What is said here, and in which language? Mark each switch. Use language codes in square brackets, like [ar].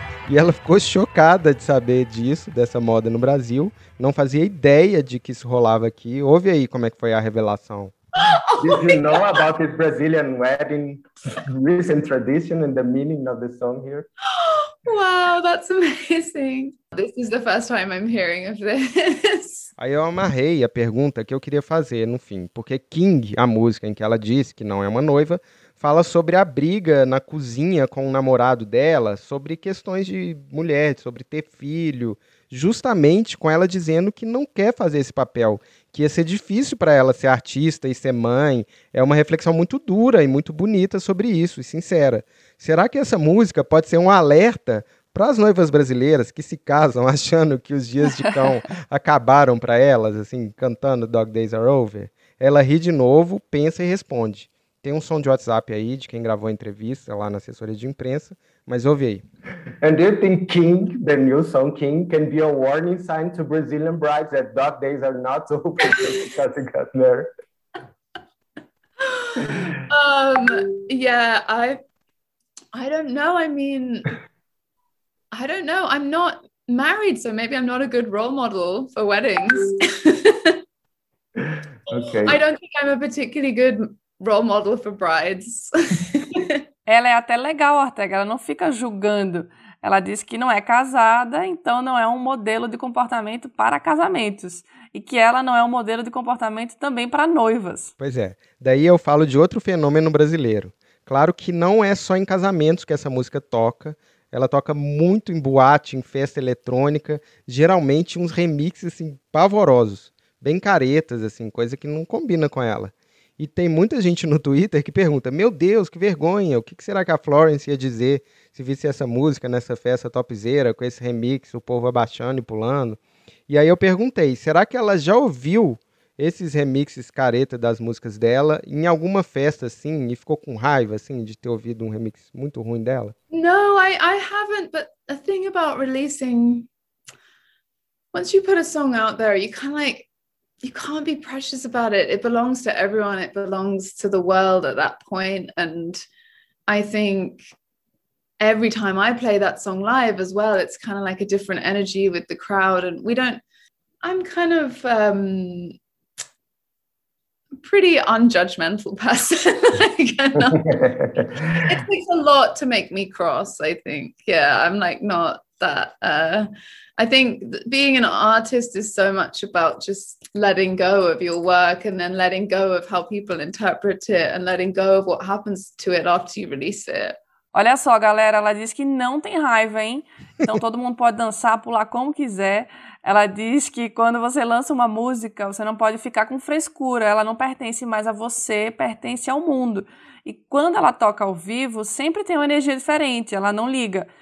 [pt] E ela ficou chocada de saber disso, dessa moda no Brasil. Não fazia ideia de que isso rolava aqui. Ouve aí como é que foi a revelação. [en] Did you know about the Brazilian wedding recent tradition and the meaning of the song here? Wow, that's amazing. This is the first time I'm hearing of this. [pt] Aí eu amarrei a pergunta que eu queria fazer no fim, porque King, a música em que ela diz que não é uma noiva, fala sobre a briga na cozinha com o namorado dela, sobre questões de mulher, sobre ter filho, justamente com ela dizendo que não quer fazer esse papel, que ia ser difícil para ela ser artista e ser mãe. É uma reflexão muito dura e muito bonita sobre isso, e sincera. Será que essa música pode ser um alerta para as noivas brasileiras que se casam achando que os dias de cão acabaram para elas, assim, cantando Dog Days Are Over? Ela ri de novo, pensa e responde. Tem um som de WhatsApp aí de quem gravou a entrevista lá na assessoria de imprensa, mas ouve aí. [en] And do you think King, the new song King, can be a warning sign to Brazilian brides that dog days are not over because they got married? Yeah, I don't know. I mean, I don't know. I'm not married, so maybe I'm not a good role model for weddings. Okay. I don't think I'm a particularly good role model for brides. [pt] Ela é até legal, Ortega, ela não fica julgando. Ela diz que não é casada, então não é um modelo de comportamento para casamentos. E que ela não é um modelo de comportamento também para noivas. Pois é, daí eu falo de outro fenômeno brasileiro. Claro que não é só em casamentos que essa música toca. Ela toca muito em boate, em festa eletrônica, geralmente uns remixes assim, pavorosos, bem caretas, assim, coisa que não combina com ela. E tem muita gente no Twitter que pergunta, meu Deus, que vergonha, o que será que a Florence ia dizer se visse essa música nessa festa topzera, com esse remix, o povo abaixando e pulando? E aí eu perguntei, será que ela já ouviu esses remixes careta das músicas dela em alguma festa, assim, e ficou com raiva, assim, de ter ouvido um remix muito ruim dela? [en] No, I haven't, but the thing about releasing, once you put a song out there, you kind of like, you can't be precious about it. It belongs to everyone. It belongs to the world at that point. And I think every time I play that song live as well, it's kind of like a different energy with the crowd. And I'm kind of pretty unjudgmental person. It takes a lot to make me cross, I think. Yeah, I'm like not that. I think being an artist is so much about just letting go of your work and then letting go of how people interpret it and letting go of what happens to it after you release it. [pt] Olha só, galera, ela diz que não tem raiva, hein? Então todo mundo pode dançar, pular como quiser. Ela diz que quando você lança uma música, você não pode ficar com frescura. Ela não pertence mais a você, pertence ao mundo. E quando ela toca ao vivo, sempre tem uma energia diferente. Ela não liga.